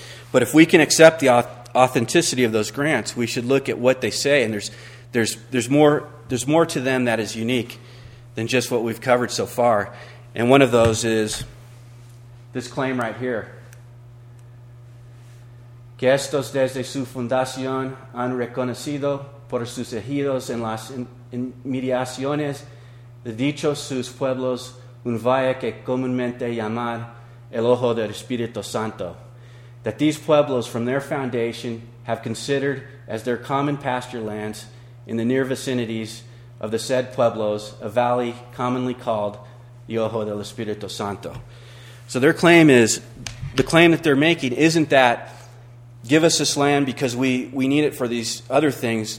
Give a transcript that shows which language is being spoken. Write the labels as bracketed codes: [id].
[en] But if we can accept the authenticity of those grants, we should look at what they say, and there's more to them that is unique than just what we've covered so far. And one of those is this claim right here. [es] Que estos desde su fundación han reconocido por sus ejidos en las inmediaciones de dichos sus pueblos un valle que comúnmente llamar el Ojo del Espíritu Santo. [en] That these pueblos from their foundation have considered as their common pasture lands in the near vicinities of the said pueblos a valley commonly called the Ojo del Espíritu Santo. So their claim is, the claim that they're making isn't that give us this land because we need it for these other things.